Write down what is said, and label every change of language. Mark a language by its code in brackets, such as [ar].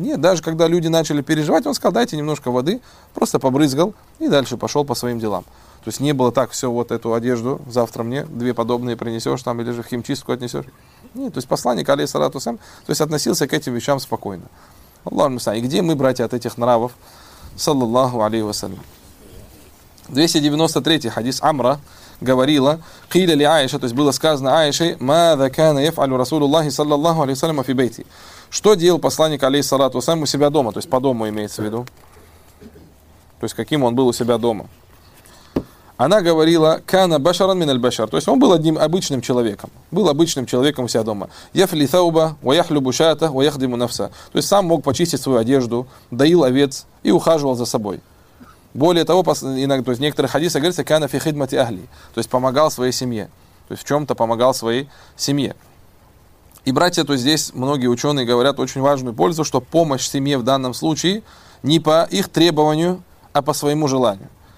[ru] Нет, даже когда люди начали переживать, он сказал, дайте немножко воды, просто побрызгал и дальше пошел по своим делам. То есть не было так, все, вот эту одежду завтра мне две подобные принесешь, там, или же в химчистку отнесешь. Нет, то есть посланник, алейхиссалям, то есть относился к этим вещам спокойно. Аллаху акбар. И где мы, братья, от этих нравов? Саллаллаху алейхи ва саллям. 293-й хадис Амра. Говорила, [ar] قيل لعائشة, [ru] то есть было сказано Аише, [ar] ماذا كان يفعل رسول الله صلى الله عليه وسلم في بيتي. [ru] Что делал посланник алейхиссалату ва саллям у себя дома, то есть по дому имеется в виду. То есть каким он был у себя дома. Она говорила, [ar] كان بشرا من البشر. [ru] То есть он был одним обычным человеком. Был обычным человеком у себя дома. [ar] يفلي ثوبه ويحلب شاته ويخدم نفسه. [ru] То есть сам мог почистить свою одежду, доил овец и ухаживал за собой. Более того, иногда, то есть в некоторых хадисах говорится, [ar] кана фи хидмати ахли, [ru] то есть помогал своей семье, то есть в чем-то помогал своей семье. И, братья, то есть здесь многие ученые говорят очень важную пользу, что помощь семье в данном случае не по их требованию, а по своему желанию.